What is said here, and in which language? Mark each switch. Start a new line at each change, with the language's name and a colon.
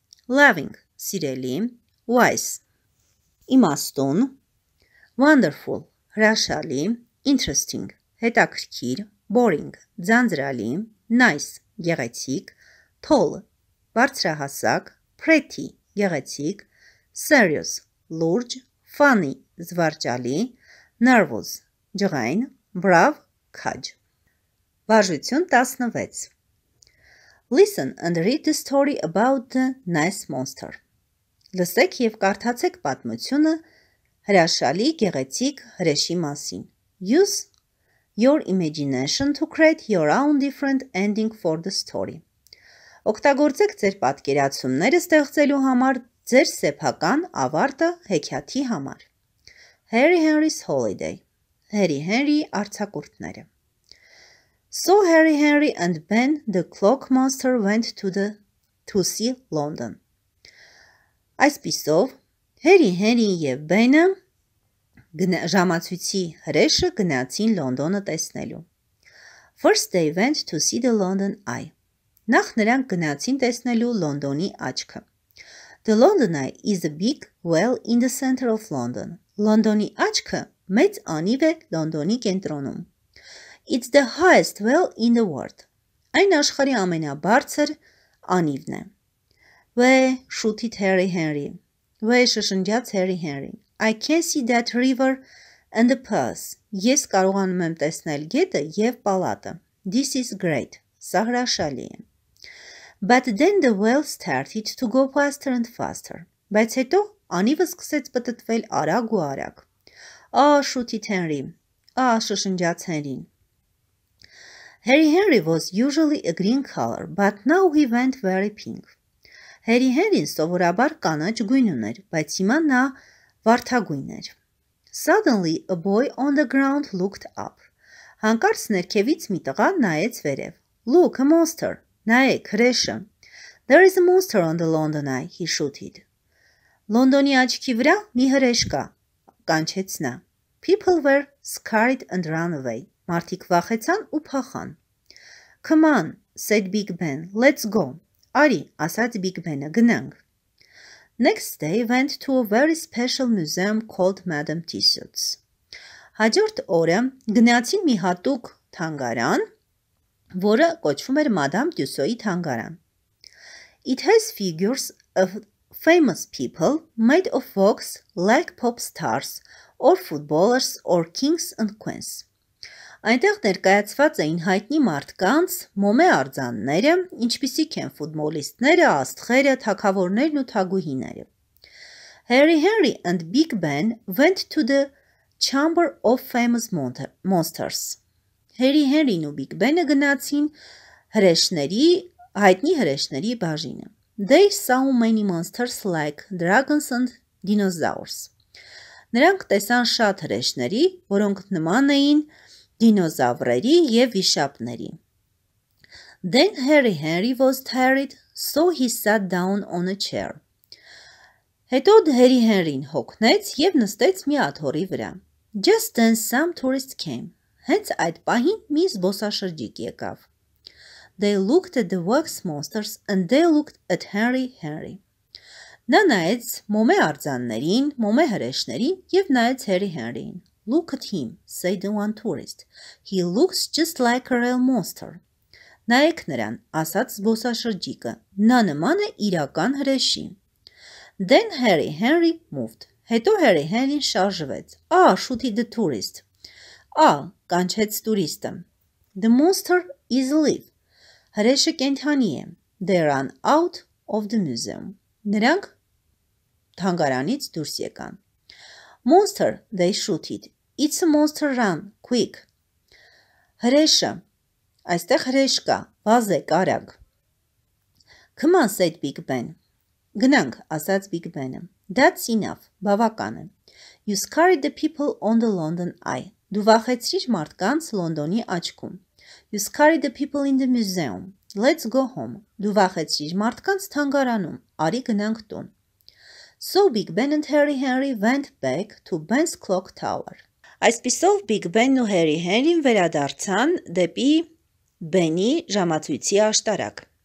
Armenian: loving, սիրելի, wise, իմաստուն, wonderful, հրաշալի, interesting, հետաքրքիր, boring, ձանձրալի, nice, գեղեցիկ, tall, բարձրահասակ, pretty, գեղեցիկ, serious, լուրջ, funny, զվարճալի, nervous, ջղայն, brave, քաջ։ Վարժություն 16.
English: Listen and read the story about the nice monster.
Armenian: Լսեք և կարդացեք պատմությունը հրաշալի գեղեցիկ հրեշի մասին.
English: Use your imagination to create your own different ending for the story.
Armenian: Օգտագործեք ձեր պատկերացումները ստեղծելու համար ձեր սեփական ավարտը հեքիաթի համար.
English: Harry Henry's holiday.
Armenian: Harry Henry արձակուրդները.
English: So Harry Henry and Ben the clock monster went to see London.
Armenian: Այսպիսով Harry Henry-ն եւ Ben-ը ժամացույցի հրեշը գնացին Լոնդոնը տեսնելու.
English: First they went to see the London eye.
Armenian: Նախ նրանք գնացին տեսնելու Լոնդոնի աչքը.
English: The London eye is a big well in the center of London.
Armenian: Լոնդոնի աչքը մեծ անիվ է Լոնդոնի կենտրոնում.
English: It's the highest well in the world.
Armenian: Այն աշխարհի ամենաբարձր անիվն է։
English: Where shouted Harry Henry.
Armenian: Where շշնջաց Harry Henry.
English: I can see that river and the palace.
Armenian: Ես կարողանում եմ տեսնել գետը եւ պալատը։
English: This is great.
Armenian: Սա հրաշալի է։
English: But then the well started to go faster and faster.
Armenian: Բայց հետո անիվը սկսեց պտտվել արագ ու արագ։
English: Ah, shouted Henry.
Armenian: Ah, շշնջաց Henry-ն։
English: Harry Henry was usually a green color, but now he went very pink.
Armenian: Harry Henry-ն սովորաբար կանաչ գույն ուներ, բայց հիմա նա վարդագույն էր.
English: Suddenly a boy on the ground looked up.
Armenian: Հանկարծ ներքևից մի տղա նայեց վերև.
English: Look, a monster.
Armenian: Նայեք, հրեշը.
English: There is a monster on the London eye, he shouted.
Armenian: Լոնդոնի աչքի վրա մի հրեշ կա, կանչեց նա.
English: People were scared and ran away.
Armenian: Մարդիկ վախեցան ու փախան։
English: Come on, said Big Ben. Let's go.
Armenian: Արի, ասաց Big Ben-ը, գնանք։
English: Next day went to a very special museum called Madame Tussauds.
Armenian: Հաջորդ օրը գնացին մի հատուկ թանգարան, որը կոչվում էր Madame Tussauds-ի թանգարան։
English: It has figures of famous people made of wax like pop stars or footballers or kings and queens.
Armenian: Այնտեղ ներկայացված էին հայտնի մարդկանց, մոմե արձանները, ինչպիսիք են ֆուտբոլիստները, աստղերը, թագավորներն ու թագուհիները.
English: Հենրի Հենրի and Big Ben went to the Chamber of Famous Monsters.
Armenian: Հենրի Հենրին ու Big Ben-ը գնացին հրեշների, հայտնի հրեշների բաժինը.
English: They saw many monsters like dragons and dinosaurs.
Armenian: Նրանք տեսան շատ հրեշների, որոնք նման էին դինոզավրերի և վիշապների.
English: Then Harry Henry was tired, so he sat down on a chair.
Armenian: Հետո Harry Henry-ն հոգնեց և նստեց մի աթոռի վրա.
English: Just then some tourists came.
Armenian: Հենց այդ պահին մի զբոսաշրջիկ եկավ.
English: They looked at the wax monsters and they looked at Harry Henry.
Armenian: Նա նայեց մոմե արձաններին, մոմե հրեշներին և նայեց Harry Henry-ին.
English: Look at him, said one tourist. He looks just like a real monster.
Armenian: Նայեք նրան, ասաց զբոսաշրջիկը. Նա նման է իրական հրեշի.
English: Then Harry Henry moved.
Armenian: Հետո Harry Henry-ն շարժվեց.
English: Ah, shouted the tourist.
Armenian: Ah, կանչեց տուրիստը.
English: The monster is alive.
Armenian: Հրեշը կենդանի է.
English: They ran out of the museum.
Armenian: Նրանք թանգարանից դուրս եկան.
English: Monster, they shouted. It's a monster run, quick.
Armenian: Հրեշը, այստեղ հրեշ կա, վազեք արագ.
English: Come on, said Big Ben.
Armenian: Գնանք, ասաց Big Ben-ը.
English: That's enough,
Armenian: բավական է.
English: You scared the people on the London Eye.
Armenian: Դու վախեցրիր մարդկանց Լոնդոնի աչքում.
English: You scared the people in the museum. Let's go home.
Armenian: Դու վախեցրիր մարդկանց թանգարանում. Արի գնանք տուն.
English: So Big Ben and Harry Henry went back to Ben's clock tower.
Armenian: Այսպիսով Big Ben ու Harry Henry-ն վերադարձան դեպի Ben-ի ժամացույցի աշտարակ.